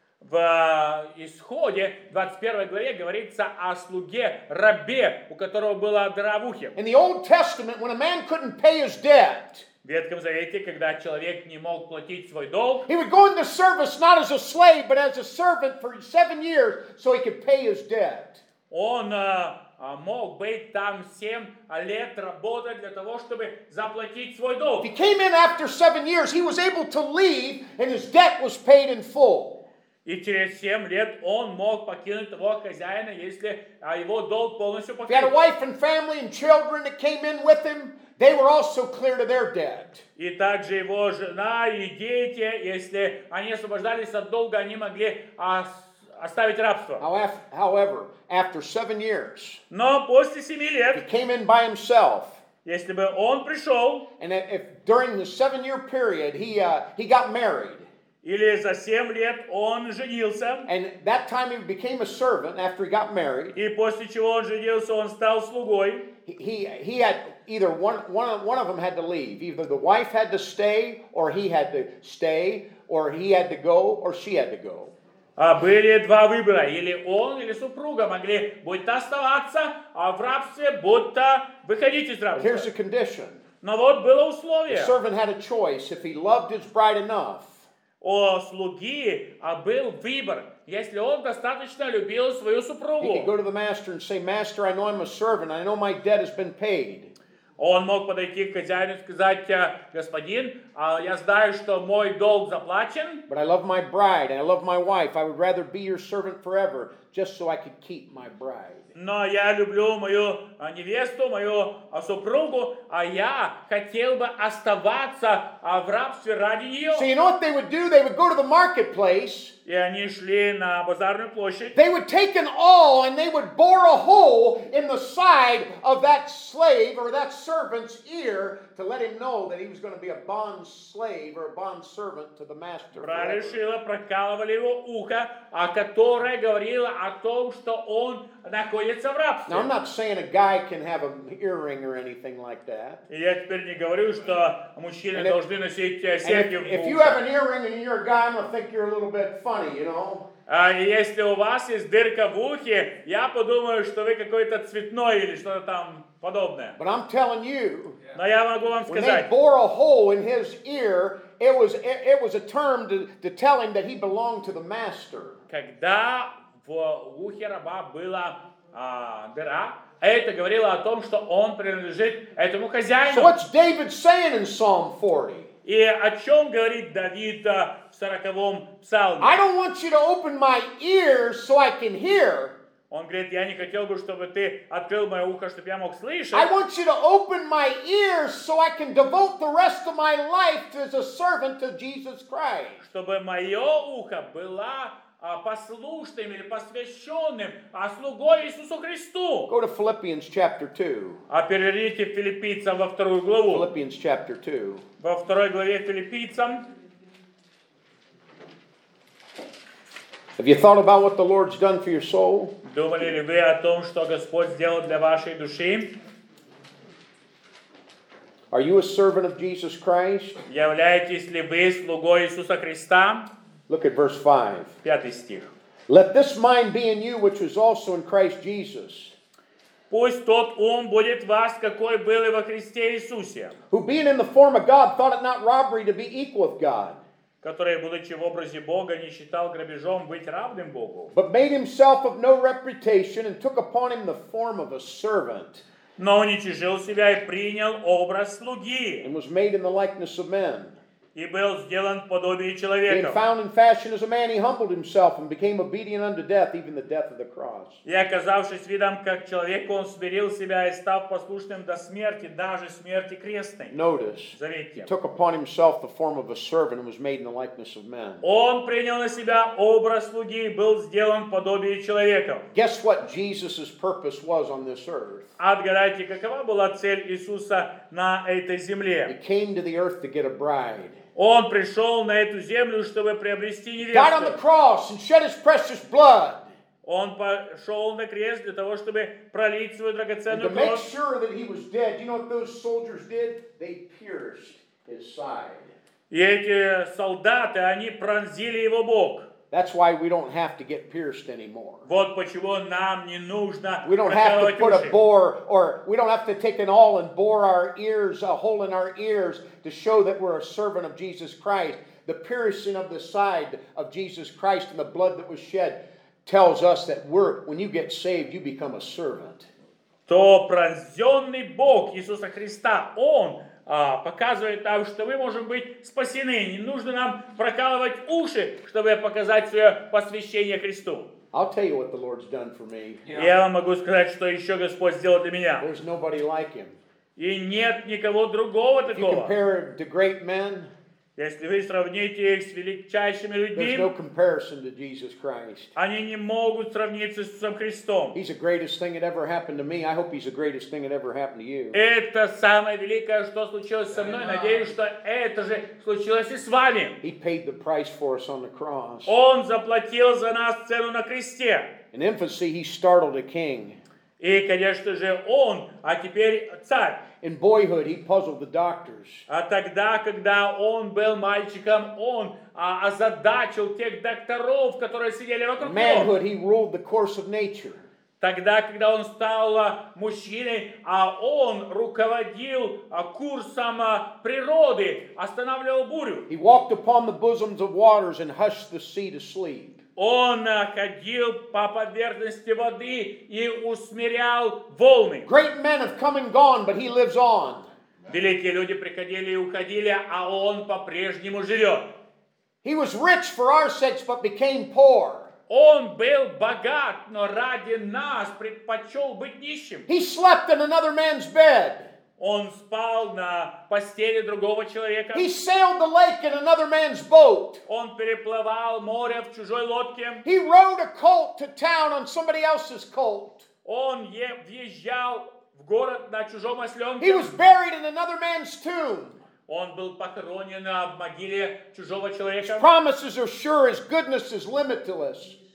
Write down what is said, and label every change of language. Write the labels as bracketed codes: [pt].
[ru] В Исходе 21 главе говорится о слуге рабе, у которого была дыра в ухе. [en] In the Old Testament, when a man couldn't pay his debt. [ru] В Ветхом Завете, когда человек не мог платить свой долг, [en] he would go into service not as a slave, but as a servant for 7 years, so he could pay his debt. [ru] Он мог быть там 7 лет работать для того, чтобы заплатить свой долг. [en] If he came in after 7 years, he was able to leave, and his debt was paid in full. [ru] И через 7 лет он мог покинуть того хозяина, если его долг полностью покрыт. [en] If he had a wife and family and children that came in with him, they were also clear to their debt. [ru] И также его жена и дети, если они освобождались от долга, они могли оставить рабство. [en] However, after 7 years, [ru] но после 7 лет, [en] he came in by himself. [ru] Если бы он пришел, [en] and if during the 7 year period he got married, [ru] или за 7 лет он женился, [en] and that time he became a servant after he got married, [ru] и после чего он женился, он стал слугой. [en] He had either one of them had to leave. Either the wife had to stay, or he had to stay, or he had to go, or she had to go. [ru] Были два выбора. Или он, или супруга могли будь-то оставаться, а в рабстве будь-то выходить из рабства. [en] Here's the condition. [ru] Но вот было условие. [en] The servant had a choice if he loved his bride enough. [ru] О слуги был выбор. Если он достаточно любил свою супругу, [en] he could go to the master and say, "Master, I know I'm a servant. I know my debt has been paid." [ru] Он мог подойти к хозяину и сказать, господин, я знаю, что мой долг заплачен. [en] But I love my bride and I love my wife. I would rather be your servant forever, just so I could keep my bride. [ru] Но я люблю мою невесту, мою супругу, а я хотел бы оставаться в рабстве ради нее. [en] So you know what they would do? They would go to the marketplace. [ru] И они шли на базарную площадь. [en] They would take an awl and they would bore a hole in the side of that slave or that servant's ear to let him know that he was going to be a bond slave or a bond servant to the master. [ru] Брали шило, прокалывали его ухо, а которое говорило о том, что он находится в рабстве. [en] Now I'm not saying a guy can have an earring or anything like that. [ru] Я теперь не говорю, что мужчины должны носить серьги в ухо. [en] If you have an earring and you're a guy, I'm going to think you're a little bit funny, you know. [ru] Если у вас есть дырка в ухе, я подумаю, что вы какой-то цветной или что-то там подобное. [en] But I'm telling you, [ru] но я могу вам сказать, [en] when they bore a hole in his ear, it was a term to tell him that he belonged to the master. [ru] Когда в ухе раба была дыра, это говорило о том, что он принадлежит этому хозяину. [en] So what's David saying in Psalm 40? [ru] И о чем говорит Давид в 40-м псалме? [en] I don't want you to open my ears so I can hear. [ru] Он говорит, я не хотел бы, чтобы ты открыл мое ухо, чтобы я мог слышать. [en] I want you to open my ears so I can devote the rest of my life as a servant to Jesus Christ. [ru] Чтобы мое ухо было послушным или посвященным слугой Иисусу Христу. [en] Go to Philippians chapter 2. [ru] А переверните Филиппийцам во вторую главу. [en] Philippians chapter 2. [ru] Во второй главе Филиппийцам. [en] Have you thought about what the Lord's done for your soul? [ru] Думали ли вы о том, что Господь сделал для вашей души? [en] Are you a servant of Jesus Christ? [ru] Являетесь ли вы слугой Иисуса Христа? [en] Look at verse 5. [ru] Пятый стих. [en] Let this mind be in you, which was also in Christ Jesus. [ru] Пусть тот ум будет вас, какой были во Христе Иисусе. [en] Who being in the form of God thought it not robbery to be equal with God. [ru] Который, будучи в образе Бога, не считал грабежом быть равным Богу. [en] But made himself of no reputation and took upon him the form of a servant. [ru] Но уничижил себя и принял образ слуги. [en] And was made in the likeness of men. [ru] И был сделан в подобии человека. [en] Being found in fashion as a man, he humbled himself and became obedient unto death, even the death of the cross. [ru] И оказавшись видом как человек, он смирил себя и стал послушным до смерти, даже смерти крестной. [en] Notice. [ru] Заметьте. [en] He took upon himself the form of a servant and was made in the likeness of men. [ru] Он принял на себя образ слуги и был сделан в подобии человека. [en] Guess what Jesus' purpose was on this earth? [ru] Отгадайте, какова была цель Иисуса на этой земле? [en] He came to the earth to get a bride. [ru] Он пришел на эту землю, чтобы приобрести невесту. [en] Died on the cross and shed his precious blood. [ru] Он пошел на крест для того, чтобы пролить свою драгоценную кровь. [en] And to make sure that he was dead, you know what those soldiers did? They pierced his side. [ru] И эти солдаты, они пронзили его бок. [en] That's why we don't have to get pierced anymore. [ru] Вот почему нам не нужно. [en] We don't have to put a bore, or we don't have to take an awl and bore our ears, a hole in our ears, to show that we're a servant of Jesus Christ. The piercing of the side of Jesus Christ and the blood that was shed tells us that we're, when you get saved, you become a servant. [ru] То пронзенный бок Иисуса Христа, он показывает нам, что мы можем быть спасены. Не нужно нам прокалывать уши, чтобы показать свое посвящение Христу. [en] I'll tell you what the Lord's done for me. [ru] Я вам могу сказать, что еще Господь сделал для меня. [en] There's nobody like him. [ru] И нет никого другого [en] If [ru] такого. [en] You compare him to great men, [ru] если вы сравните их с величайшими людьми, [en] there's no comparison to Jesus Christ. [ru] Они не могут сравниться с Иисусом Христом. [en] He's the greatest thing that ever happened to me. I hope he's the greatest thing that ever happened to you. [ru] Это самое великое, что случилось со мной. Надеюсь, что это же случилось и с вами. [en] He paid the price for us on the cross. [ru] Он заплатил за нас цену на кресте. [en] In infancy, he startled a king. [ru] И, конечно же, он, а теперь царь. [en] In boyhood, he puzzled the doctors. [ru] А тогда, когда он был мальчиком, он озадачил тех докторов, которые сидели вокруг него. [en] Manhood, he ruled the course of nature. [ru] Тогда, когда он стал мужчиной, он руководил курсом природы, останавливал бурю. [en] He walked upon the bosoms of waters and hushed the sea to sleep. [ru] Он ходил по поверхности воды и усмирял волны. [en] Great men have come and gone, but he lives on. [ru] Великие люди приходили и уходили, а он по-прежнему живет. [en] He was rich for our sakes, but became poor. [ru] Он был богат, но ради нас предпочел быть нищим. [en] He slept in another man's bed. [ru] Он спал на постели другого человека. [en] He sailed the lake in another man's boat. [ru] Он переплывал море в чужой лодке. [en] He rode a colt to town on somebody else's colt. [ru] Он въезжал в город на чужом осленке. [en] He was buried in another man's tomb. [ru] Он был похоронен в могиле чужого человека. [en] His promises are sure, his goodness is limitless.